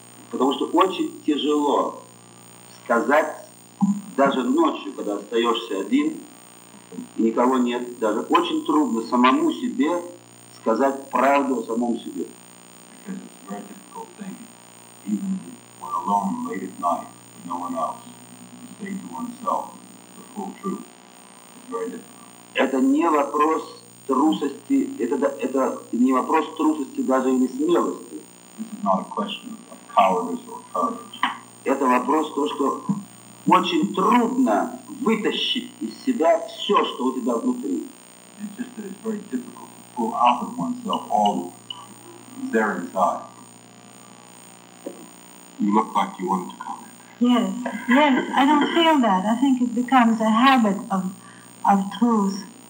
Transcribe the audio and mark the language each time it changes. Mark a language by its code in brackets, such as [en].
[ru] Потому что очень тяжело сказать. Даже ночью, когда остаешься один, никого нет, даже очень трудно самому себе сказать правду о самом себе. [en] Because it's a very difficult thing, even when alone late at night, with no one else, to say to oneself the full truth. It's very difficult. [ru] Это не вопрос трусости, это не вопрос трусости даже или смелости. [en] This is not a question of cowardice or courage. [ru] Это вопрос то, что очень трудно вытащить из себя все, что у тебя внутри. [en] It's just that it's very difficult to pull out of oneself all there inside. You look like you wanted to comment. Yes, yes, I don't feel that. I think it becomes a habit of truth.